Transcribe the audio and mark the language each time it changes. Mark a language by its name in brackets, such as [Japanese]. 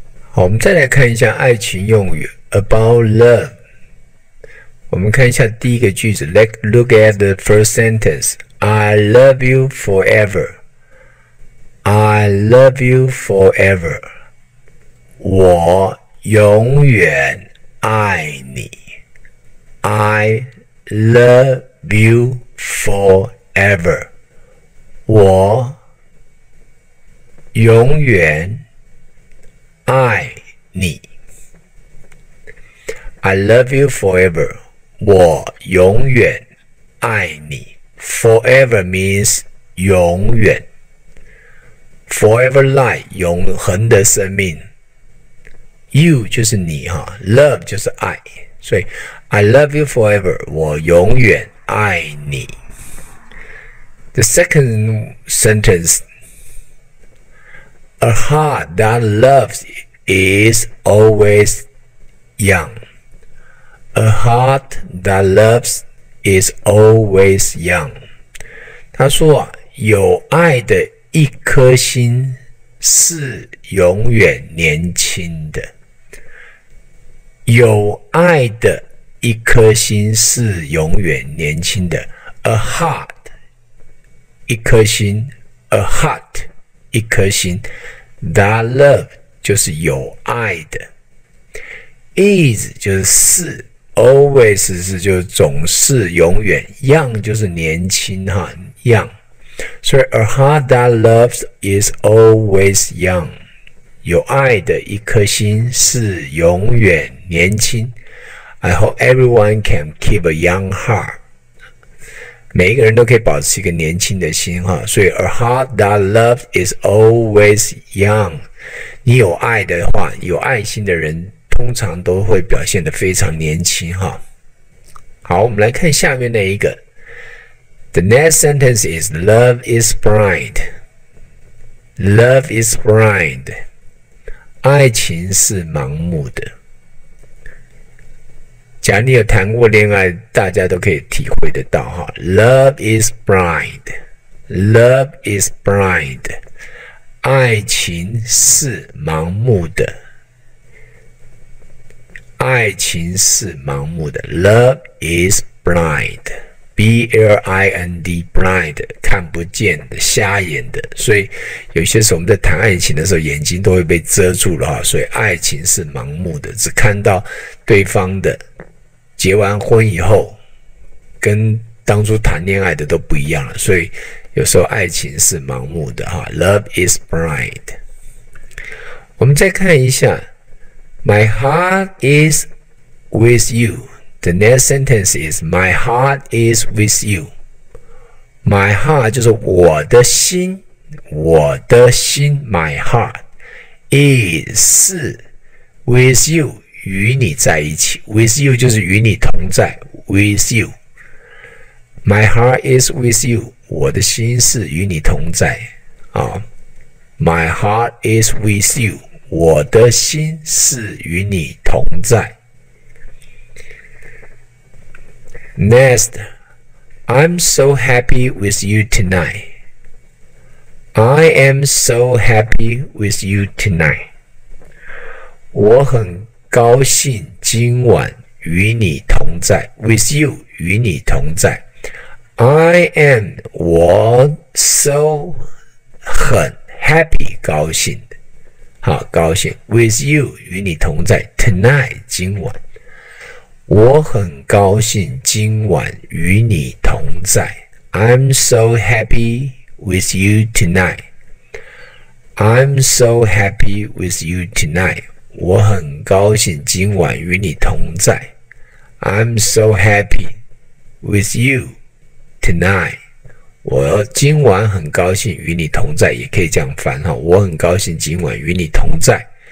[Chinese] 好，我们再来看一下爱情用语 [English] about love。 [Chinese] 我们看一下第一个句子 [English] ，Let look at the first sentence. I love you forever. I love you forever. [Chinese] 我永远爱你。 [English] I love you forever. [Chinese] 我永远爱你。 [English] I love you forever. [Chinese] 我永远爱你。 [English] Forever means [Chinese] 永远。 [English] Forever life [Chinese] 永恒的生命。You 就是你哈 ，Love 就是爱。所以 [English] I love you forever. [Chinese] 我永远爱你。 [English] The second sentence, a heart that loves is always young. A heart that loves is always young. [Chinese] 他说啊，有爱的一颗心是永远年轻的。有爱的一颗心是永远年轻的。 [English] A heart. [Chinese] 一颗心 [English] ，a heart， 一颗心 ，that love [Chinese] 就是有爱的 [English] ，is 就是 ，always [Chinese] 是就是总是永远 [English] ，young [Chinese] 就是年轻哈 [English] ，young， 所以 a heart that loves is always young， [Chinese] 有爱的一颗心是永远年轻 [English] ，I hope everyone can keep a young heart。 [Chinese] 每一个人都可以保持一个年轻的心哈，所以 a heart that loves is always young。你有爱的话，有爱心的人通常都会表现得非常年轻哈。好，我们来看下面那一个。 [English] The next sentence is love is blind. Love is blind. [Chinese] 爱情是盲目的。假如你有谈过恋爱，大家都可以体会得到哈。 [English] Love is blind. Love is blind. [Chinese] 爱情是盲目的。爱情是盲目的。 [English] Love is blind. B-L-I-N-D, blind, [Chinese] 看不见的，瞎眼的。所以有些时候我们在谈爱情的时候，眼睛都会被遮住了。所以爱情是盲目的，只看到对方的。结完婚以后跟当初谈恋爱的都不一样了，所以有时候爱情是盲目的哈。 [English] Love is blind. [Chinese] 我们再看一下 [English] My heart is with you. The next sentence is My heart is with you. My heart [Chinese] 就是我的心，我的心 [English] My heart is with you， [Chinese] 与你在一起 [English] ，with you [Chinese] 就是与你同在 [English] ，with you。 My heart is with you， [Chinese] 我的心是与你同在啊。 [English] My heart is with you， [Chinese] 我的心是与你同在。 [English] Next， I'm so happy with you tonight. I am so happy with you tonight. [Chinese] 我很高兴今晚与你同在 ， [English] with you [Chinese] 与你同在。 [English] I am [Chinese] 我 so 很 happy 高兴的，好高兴 ，with you 与你同在 ，tonight 今晚。我很高兴今晚与你同在。 [English] I'm so happy with you tonight. I'm so happy with you tonight. [Chinese] 我很高兴今晚与你同在。 [English] I'm so happy with you tonight. [Chinese] 我今晚很高兴与你同在，也可以这样翻，我很高兴今晚与你同在。